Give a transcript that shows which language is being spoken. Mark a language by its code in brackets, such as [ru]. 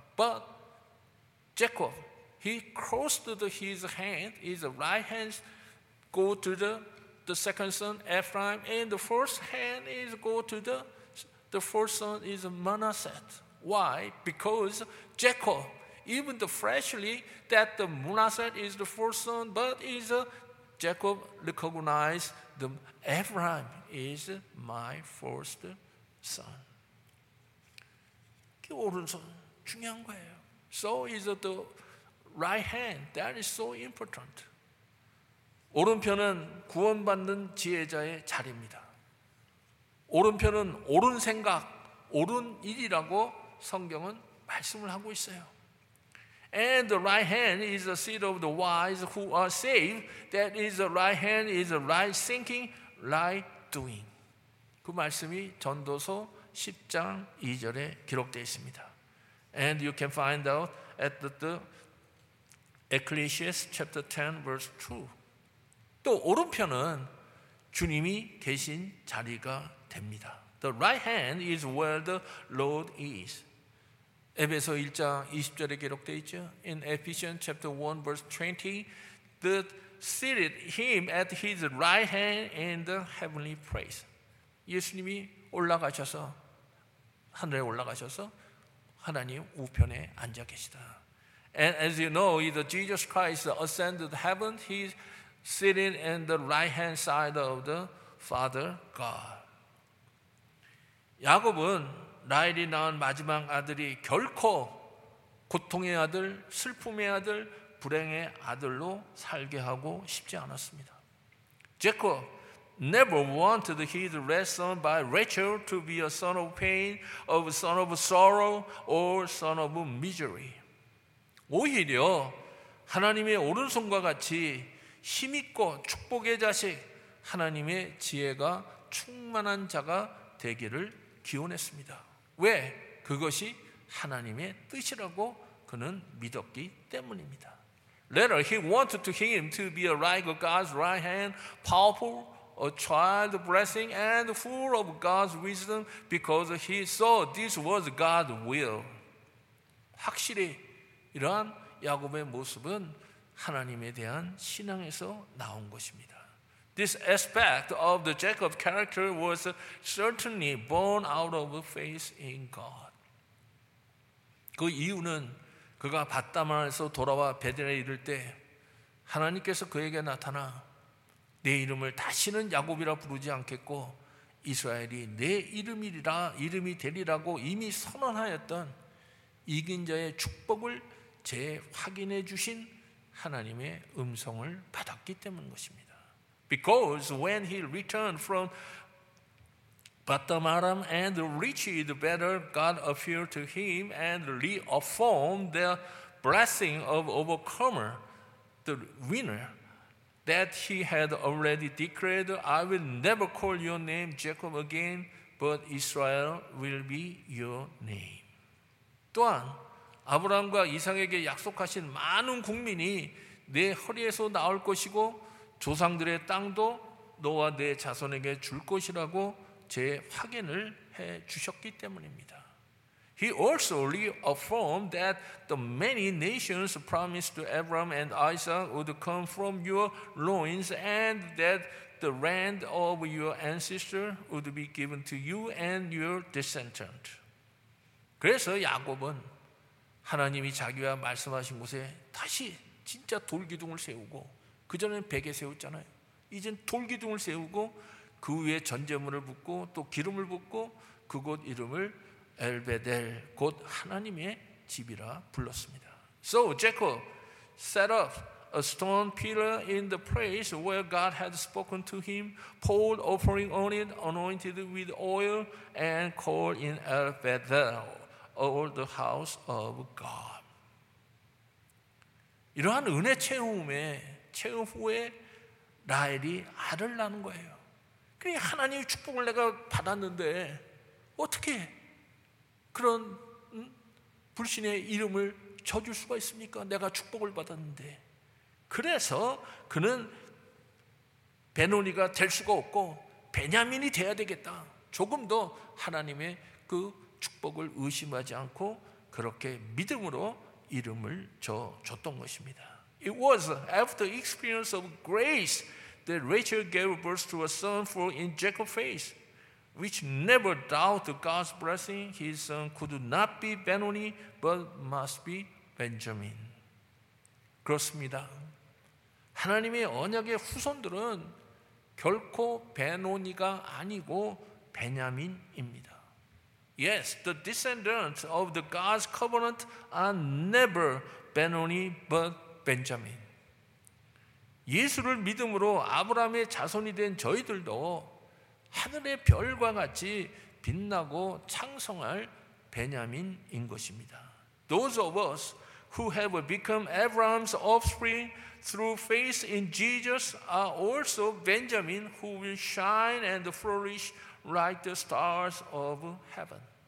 [en] But Jacob, he crossed his hand, his right hand, go to the second son, Ephraim, and the first hand is go to the first son, is Manasseh. Why? Because Jacob, even the freshly, that the Manasseh is the first son, but is Jacob recognized the Ephraim is my first son. [ko] 그 오른손 중요한 거예요. [en] So is the right hand. That is so important. [ko] 오른편은 구원받는 지혜자의 자리입니다. 오른편은 옳은 생각, 옳은 일이라고 성경은 말씀을 하고 있어요. [en] And the right hand is the seat of the wise who are saved. That is the right hand is the right thinking, right doing. [ko] 그 말씀이 전도서 10장 2절에 기록되어 있습니다. [en] And you can find out at the Ecclesiastes chapter 10 verse 2. [ko] 또 오른편은 주님이 계신 자리가 됩니다. [en] The right hand is where the Lord is. [ko] 에베소 1장 20절에 기록되어 있죠. [en] In Ephesians chapter 1 verse 20, that seated him at his right hand in the heavenly place. [ko] 예수님이 올라가셔서 하늘에 올라가셔서 하나님 우편에 앉아 계시다. [en] And as you know, either Jesus Christ ascended to heaven, he's sitting in the right hand side of the Father God. [ko] 야곱은 라헬이 낳은 마지막 아들이 결코 고통의 아들, 슬픔의 아들, 불행의 아들로 살게 하고 싶지 않았습니다. [en] Jacob never wanted his last son by Rachel to be a son of pain, of a son of sorrow, or son of misery. [ko] 오히려 하나님의 오른손과 같이 힘 있고 축복의 자식, 하나님의 지혜가 충만한 자가 되기를 기원했습니다. 왜? 그것이 하나님의 뜻이라고 그는 믿었기 때문입니다. [en] Later, he wanted to him to be a like God's right hand, powerful, a child blessing, and full of God's wisdom because he saw this was God's will. [ko] 확실히 이러한 야곱의 모습은 하나님에 대한 신앙에서 나온 것입니다. [en] This aspect of the Jacob character was certainly born out of faith in God. [ko] 그 이유는 그가 밧다만에서 돌아와 베델에 이를 때 하나님께서 그에게 나타나 내 이름을 다시는 야곱이라 부르지 않겠고 이스라엘이 내 이름이리라 이름이 되리라고 이미 선언하였던 이긴 자의 축복을 재확인해 주신 하나님의 음성을 받았기 때문 것입니다. [en] Because when he returned from Batamaram and reached better, God appeared to him and reaffirmed the blessing of overcomer, the winner, that he had already declared, I will never call your name Jacob again, but Israel will be your name. [ko] 또한 아브라함과 이삭에게 약속하신 많은 국민이 내 허리에서 나올 것이고 조상들의 땅도 너와 내 자손에게 줄 것이라고 재확인을 해 주셨기 때문입니다. [en] He also reaffirmed that the many nations promised to Abraham and Isaac would come from your loins and that the land of your ancestor would be given to you and your descendant. [ko] 그래서 야곱은 하나님이 자기와 말씀하신 곳에 다시 진짜 돌기둥을 세우고 그전에는 베개 세웠잖아요. 이젠 돌기둥을 세우고 그 위에 전제물을 붓고 또 기름을 붓고 그곳 이름을 엘베델, 곧 하나님의 집이라 불렀습니다. [en] So Jacob set up a stone pillar in the place where God had spoken to him, poured offering on it, anointed with oil, and called in Elbedel, or the house of God. [ko] 이러한 은혜 체험에 체험 후에 라헬이 아들 낳는 거예요. 그래 하나님의 축복을 내가 받았는데 어떻게 그런 불신의 이름을 져줄 수가 있습니까? 내가 축복을 받았는데. 그래서 그는 베노니가 될 수가 없고 베냐민이 돼야 되겠다. 조금 더 하나님의 그 축복을 의심하지 않고 그렇게 믿음으로 이름을 져줬던 것입니다. [en] It was after experience of grace that Rachel gave birth to a son for in Jacob's faith, which never doubted God's blessing. His son could not be Benoni, but must be Benjamin. [ko] 그렇습니다. 하나님의 언약의 후손들은 결코 베노니가 아니고 베냐민입니다. [en] Yes, the descendants of the God's covenant are never Benoni, but Benjamin. [ko] 예수를 믿음으로 아브라함의 자손이 된 저희들도 하늘의 별과 같이 빛나고 창성할 베냐민인 것입니다. [en] Those of us who have become Abraham's offspring through faith in Jesus are also Benjamin, who will shine and flourish like the stars of heaven.